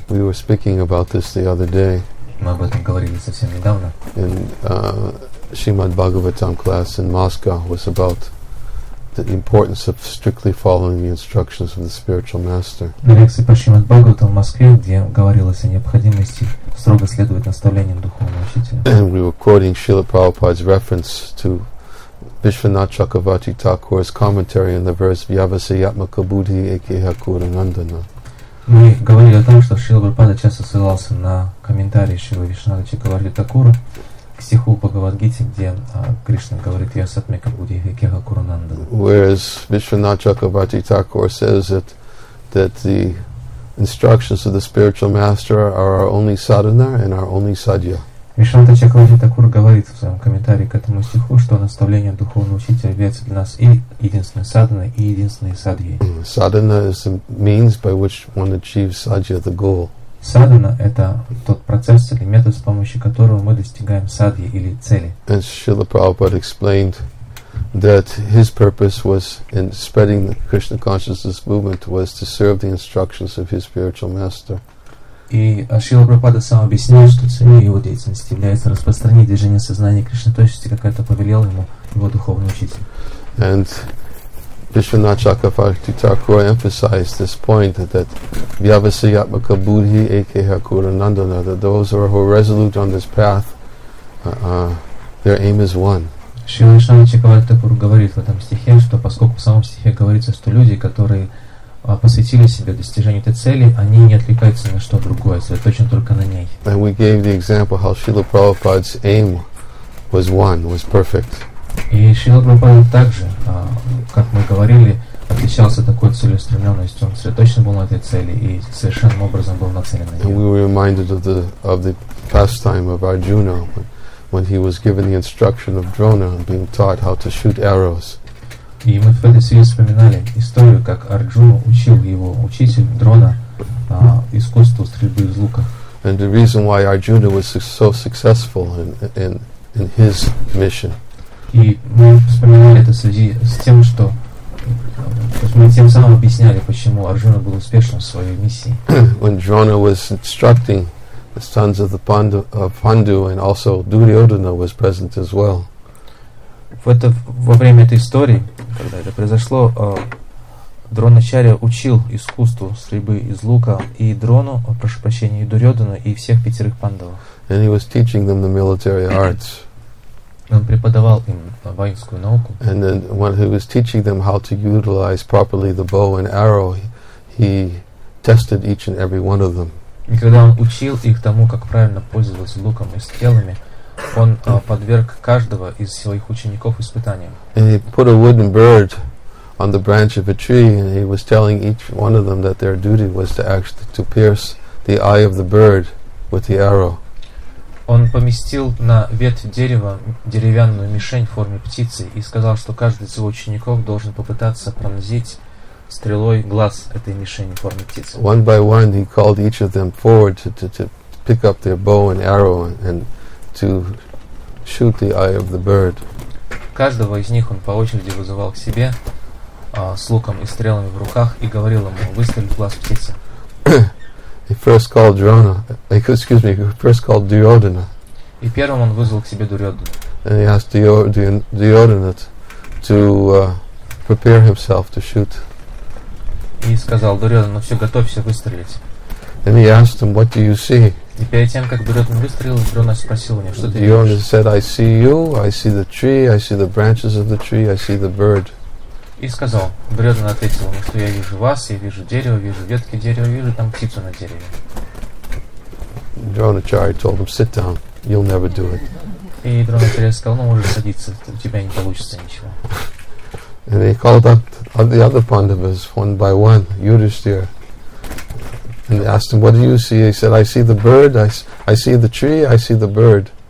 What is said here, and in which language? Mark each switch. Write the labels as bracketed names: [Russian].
[English] We were speaking about this the other day. [Russian] Мы об этом говорили совсем недавно. [English] In Shrimad Bhagavatam class in Moscow was about the importance of strictly following the instructions of the spiritual master. [Russian] На лекции по Шримад Бхагаватам в Москве, где говорилось о необходимости строго следовать наставлениям духовного учителя. [English] And we were quoting Srila Prabhupada's reference to Vishwanath Chakravarti Thakur's commentary on the verse [Sanskrit] Vyavasi Yatmaka Buddhi Ekeha Kura Nandana. [Russian] Мы говорили о том, что Шрила Прабхупада часто ссылался на комментарии Шрила Вишнава Чакраварти Такура к стиху Бхагавадгите, где Кришна говорит [Sanskrit] Ясатмика Буддхи Экеха Кура Нандана. [English] Whereas Vishwanath Chakravarti Thakur says that the instructions of the spiritual master are our only sadhana and our only sadhya. [Russian] Вишванатха Чакраварти Такур говорит в своем комментарии к этому стиху, что наставление духовного учителя является для нас и единственной садханой, и единственной садхьей. [English] Садхана is the means by which one achieves садхья, the goal. [Russian] Садхана – это тот процесс или метод, с помощью которого мы достигаем садхьи или цели. [English] And Srila Prabhupada explained that his purpose was in spreading the Krishna consciousness movement was to serve the instructions of his spiritual master. [Russian] И Шрила Прабхупада сам объяснил, что целью его деятельности является распространение движения сознания Кришны, то есть как это повелел ему его духовный учитель. [English] And Vishwanath Chakravarti Thakur emphasized this point that [Sanskrit] Vyavasayatmaka Buddhi Ekeha Kura Nandana, [English] that those who are resolute on this path, their aim is one. [Russian] Шрила Вишванатха Чакраварти Такур говорит в этом стихе, что поскольку в самом стихе говорится, что люди, которые посвятили себя достижению этой цели, они не отвлекаются на что другое, сосредоточен только на ней. [English] And we gave the example how Srila Prabhupada's aim was one, was perfect. [Russian] И Шрила Прабхупада также, как мы говорили, отличался такой целеустремленностью. Он сосредоточен был на этой цели и совершенным образом был нацелен на нее. [English] And we were reminded of the pastime of Arjuna when he was given the instruction of Drona and being taught how to shoot arrows. [Russian] И мы в этой связи вспоминали историю, как Арджуна учил его учитель Дрона искусству стрельбы из лука. [English] And the reason why Arjuna was so successful in his mission. [Russian] И мы вспоминали это в связи с тем, что мы тем самым объясняли, почему Арджуна был успешным в своей миссии. [English] When Drona was instructing the sons of the Pandu and also Duryodhana was present as well. [Russian] Во время этой истории, когда это произошло, Дроначарья учил искусству стрельбы из лука и Дрону, прошу прощения, и Дурьодхану, и всех пятерых пандавов. [English] And he was teaching them the military arts. [Russian] Он преподавал им воинскую науку. [English] And then when he was teaching them how to utilize properly the bow and arrow, he tested each and every one of them. [Russian] И когда он учил их тому, как правильно пользоваться луком и стрелами, он подверг каждого из своих учеников испытаниям. [English] And he put a wooden bird on the branch of a tree, and he was telling each one of them that their duty was to actually to pierce the eye of the bird with the arrow. [Russian] Он поместил на ветвь дерева деревянную мишень в форме птицы и сказал, что каждый из его учеников должен попытаться пронзить стрелой глаз этой мишени в форме птицы. [English] One by one, he called each of them forward to pick up their bow and arrow and to shoot the eye of the bird. [Russian] Каждого из них он по очереди вызывал к себе с луком и стрелами в руках и говорил ему: выстрелить в глаз птицы. [English] He first called Drona. Excuse me. He first called Duryodhana. [Russian] И первым он вызвал к себе Дурьодхану. [English] And he asked Duryodhana to prepare himself to shoot. [Russian] И сказал Дурьодхану: все, готовься выстрелить. [English] And he asked him, what do you see? [Russian] И перед тем, как Дурьодхана выстрелил, Дрона спросил у него, что ты видишь? [English] Duryodhana said, I see you. I see the tree. I see the branches of the tree. I see the bird. [Russian] И сказал, Дурьодхана ответил ему, что я вижу вас, я вижу дерево, вижу ветки дерева, вижу там птицу на дереве. [English] Дроначарья told him, sit down, you'll never do it. [Russian] И Дроначарья сказал, ну можешь садиться, у тебя не получится ничего. [English] And he called up the other Pandavas one by one, Yudhishthira, and asked him, what do you see? He said, I see the bird, I see the tree, I see the bird.